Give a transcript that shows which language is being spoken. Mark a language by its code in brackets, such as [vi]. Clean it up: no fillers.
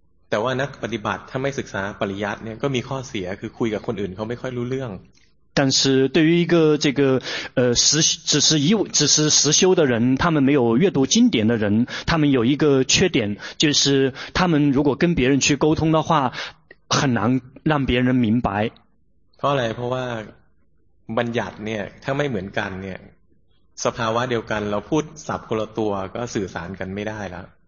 [th] แต่ว่านักปฏิบัติถ้าไม่ศึกษาปริยัติเนี่ยก็มีข้อเสียคือคุยกับคนอื่นเขาไม่ค่อยรู้เรื่อง [zh] 但是对于一个这个只是实修的人他们没有阅读经典的人他们有一个缺点就是他们如果跟别人去沟通的话很难让别人明白 [th] เพราะอะไรเพราะว่าบัญญัติเนี่ยถ้าไม่เหมือนกันเนี่ยสภาวะเดียวกันเราพูดสับคนละตัวก็สื่อสารกันไม่ได้แล้ว